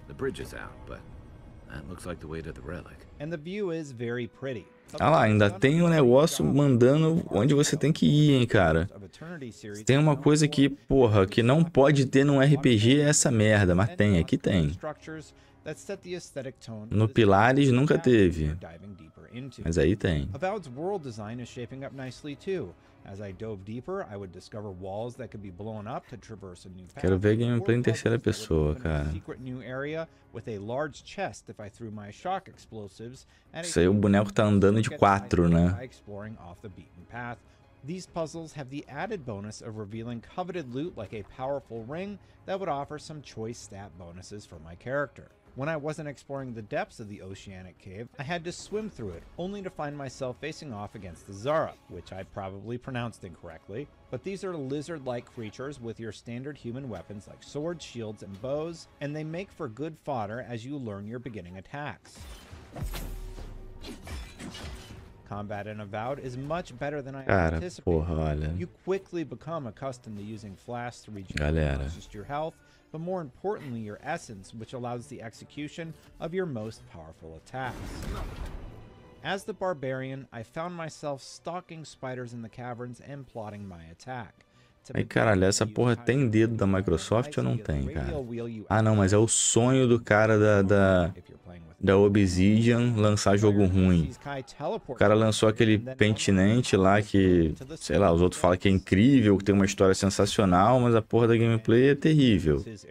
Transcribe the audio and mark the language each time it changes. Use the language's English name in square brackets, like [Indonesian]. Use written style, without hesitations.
[English] The bridge is out, but that looks like the way to the relic. And the view is very pretty. [Portuguese] Ah lá, ainda tem um negócio mandando onde você tem que ir, hein, cara. Tem uma coisa que, porra, que não pode ter num RPG essa merda, mas tem, aqui tem. No Pilares nunca teve, mas aí tem. [English] Avowed's world design is shaping up nicely too. As I dove deeper, I would discover walls that could be blown up to traverse a new path. [Portuguese] Quero ver gameplay em terceira pessoa, cara. [English] Secret new area with a large chest if I threw my shock explosives. [Portuguese] Isso aí, o boneco tá andando de quatro, né? [English] Exploring off the beaten path. These puzzles have the added bonus of revealing coveted loot like a powerful ring that would offer some choice stat bonuses for my character. When I wasn't exploring the depths of the Oceanic Cave, I had to swim through it, only to find myself facing off against the Zara, which I probably pronounced incorrectly. But these are lizard-like creatures with your standard human weapons like swords, shields, and bows, and they make for good fodder as you learn your beginning attacks. Combat in Avowed is much better than I anticipated. You quickly become accustomed to using flasks to regenerate not just your health, but more importantly your essence, which allows the execution of your most powerful attacks. As the barbarian, I found myself stalking spiders in the caverns and plotting my attack. [Portuguese] Aí, caralho, essa porra tem dedo da Microsoft ou não tem, cara? Ah, não, mas é o sonho do cara da Obsidian lançar jogo ruim. O cara lançou aquele Pentinente lá que, sei lá, os outros falam que é incrível, que tem uma história sensacional, mas a porra da gameplay é terrível.